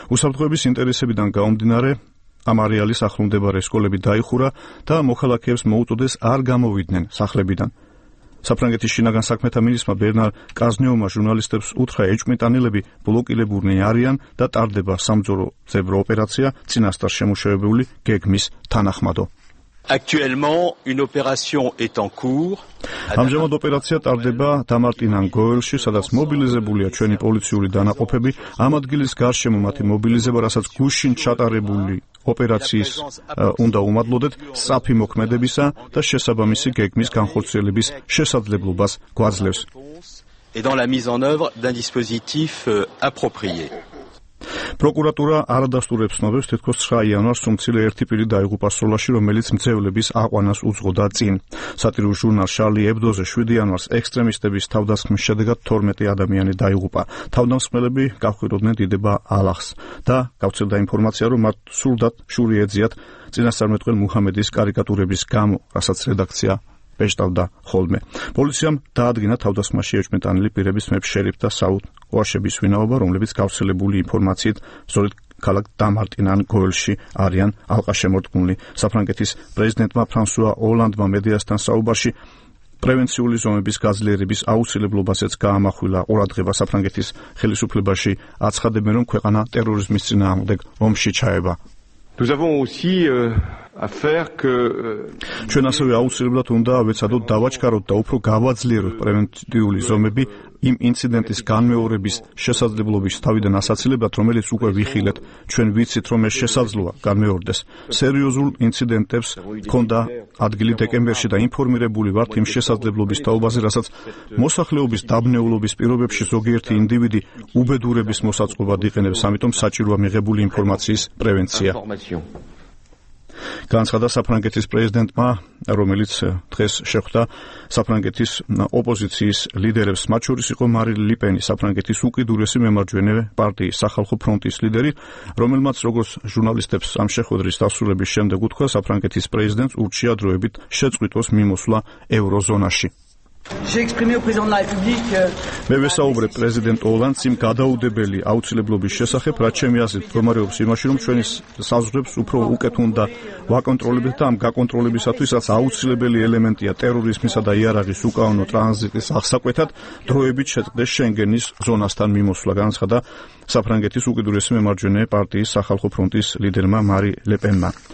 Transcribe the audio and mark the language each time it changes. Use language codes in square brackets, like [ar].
[ka] უსაფრთხოების ინტერესებიდან გამომდინარე ამ არეალის ახლომდებარე სკოლები დაიხურა და მოქალაქეებს მოუწოდეს არ გამოვიდნენ სახლებიდან. საფრანგეთის შინაგან საქმეთა მინისტრმა ბერნარ კაზნიომა ჟურნალისტებს უთხრა, ეჭვმიტანილები ბლოკირებულნი არიან და ტარდება სამძორო ძებრო ოპერაცია წინასწარ შემუშავებული გეგმის თანახმადო. [fr] Actuellement, une opération est en cours. [ka] ამჟამად ოპერაცია ტარდება დამარტინან გოელში, სადაც მობილიზებულია ჩვენი პოლიციური დანაყოფები. ამ ადგილის გარშემო მათი მობილიზება, რასაც გუშინ ჩატარებული ოპერაციის უნდა უმადლოდეთ, საფი მოქმედებისა და შესაბამისი გეგმის განხორციელების შესაძლებლობას გვაძლევს. [fr] Et dans la mise en œuvre d'un dispositif approprié. [ka] პროკურატურა არადასტურებს ცნობებს, თითქოს 9 იანვარს სუმცილე ერთი პირი დაიღუპა სროლაში, რომელიც მძევლების აყვანას უძღოდა წინ. სატირულ ჟურნალ შარლი ებდოზე 7 იანვარს ექსტრემისტების თავდასხმის შედეგად 12 ადამიანი დაიღუპა. თავდამსხმელები გახვიროდნენ დიდება ალახს და გავრცელდა ინფორმაცია, რომ მათ სურდათ შური ეძიათ წინასწარმეტყველ მუჰამედის კარიკატურების გამო, რასაც რედაქცია ეშტავდა ხოლმე. პოლიციამ დაადგინა თავდასხმაში ეჭვმიტანილი პირების მეფ შერიფ და საუთ ოაშების ვინაობა, რომლებიც გავრცელებული ინფორმაციით სწორედ ქალაქ დამარტინან გოელში არიან ალყაშემორტყმული. საფრანგეთის პრეზიდენტმა ფრანსუა ოლანდმა მედიასთან საუბარში პრევენციული ზომების გაძლიერების აუცილებლობასაც გაამახვილა ყურადღება. საფრანგეთის ხელისუფლებაში აცხადებენ, რომ ქვეყანა ტერორიზმის წინააღმდეგ ომში ჩაება. [fr] Nous avons aussi à faire que [ka] ჩვენ ასევე აუცილებლად უნდა ავეცადოთ, დავაჩქაროთ და უფრო გავაძლიეროთ პრევენტიული ზომები იმ ინციდენტის განმეორების შესაძლებლობის თავიდან ასაცილებლად, რომელიც უკვე ვიხილეთ. ჩვენ ვიცით, რომ ეს შესაძლოა განმეორდეს. სერიოზულ ინციდენტებს ჰქონდა ადგილი დეკემბერში და ინფორმირებული ვართ იმ შესაძლებლობის თაობაზე, რასაც მოსახლეობის დაბნეულობის პირობებში ზოგიერთი ინდივიდი უბედურების მოსაწყობად იყენებს. ამიტომ საჭიროა მიღებული ინფორმაციის პრევენცია. განცხადა საფრანგეთის პრეზიდენტმა, რომელიც დღეს შეხვდა საფრანგეთის ოპოზიციის ლიდერებს. მათ შორის იყო მარი ლიპენი, საფრანგეთის უკიდურესი მემარჯვენე პარტიის სახალხო ფრონტის ლიდერი, რომელმაც, როგორც ჟურნალისტებს ამ შეხვედრის დასრულების შემდეგ უთხრა, საფრანგეთის პრეზიდენტს ურჩია დროებით შეწყვიტოს მიმოსვლა ევროზონაში. [fr] J'ai exprimé au président de la République [ka] მე ვესაუბრე პრეზიდენტ ოლანდს იმ გადაუდებელი აუცილებლობის შესახებ, რაც ჩემი აზრით მდგომარეობს იმაში, რომ ჩვენი საზღვრებს უფრო უკეთ უნდა ვაკონტროლებდეთ და ამ გაკონტროლებისათვის, რაც აუცილებელი ელემენტია ტერორიზმისა და იარაღის უკანონო ტრანზიტის აღსაკვეთად, დროებით შეწყდეს შენგენის ზონასთან მიმოსვლა, განცხადა საფრანგეთის უკიდურესი მემარჯვენე პარტიის სახალხო ფრონტის ლიდერმა მარი ლეპენმა.